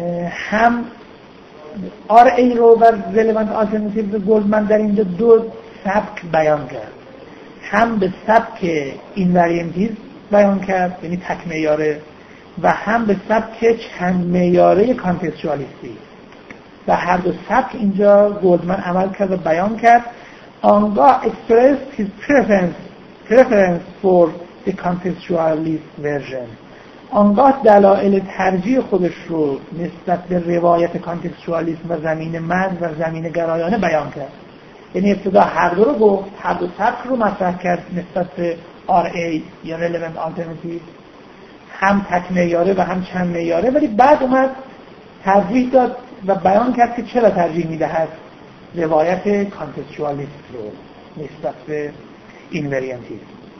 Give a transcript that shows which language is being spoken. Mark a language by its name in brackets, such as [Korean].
[Persian] هم آر ای رو و relevant alternatives Goldman در اینجا دو سبک بیان کرد، هم به سبک invariantism بیان کرد یعنی تک معیاره و هم به سبک چند معیاره کانتکستوالیستی و هر دو سبک اینجا گلدمن عمل کرد و بیان کرد. [English] آنگاه expressed his preference for the contextualist version. [Persian] آنگاه دلایل ترجیح خودش رو نسبت به روایت کانتکستوالیسم و زمینه مرد و زمینه گرایانه بیان کرد. یعنی ابتدا هر دو رو گفت، هر دو سبک رو مطرح کرد نسبت به RA یا relevant alternative، هم تک معیاره و هم چند معیاره، ولی بعد اومد ترجیح داد و بیان کرد که چرا ترجیح میدهد روایت contextualist رو نسبت به invariantism.